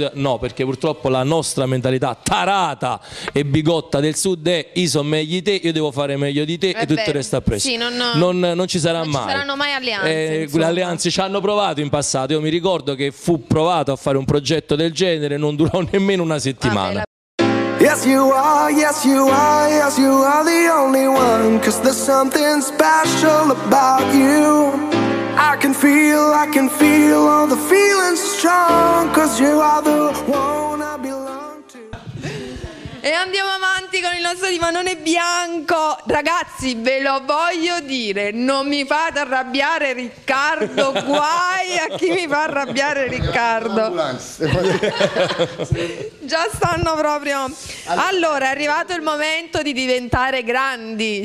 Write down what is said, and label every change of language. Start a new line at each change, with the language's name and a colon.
Italian: No, perché purtroppo la nostra mentalità tarata e bigotta del sud è: io sono meglio di te, io devo fare meglio di te. E tutto resta preso. Sì, non ci sarà mai. Non ci saranno mai alleanze. Le alleanze ci hanno provato in passato. Io mi ricordo che fu provato a fare un progetto del genere, non durò nemmeno una settimana.
English: Yes you are, yes you are, yes you are the only one. 'Cause there's something special about you. I can feel all the feelings strong. 'Cause you are the one I belong to.
Italian: E andiamo avanti con il nostro divanone bianco. Ragazzi, ve lo voglio dire, non mi fate arrabbiare Riccardo, guai a chi mi fa arrabbiare Riccardo. Già stanno proprio. Allora, è arrivato il momento di diventare grandi.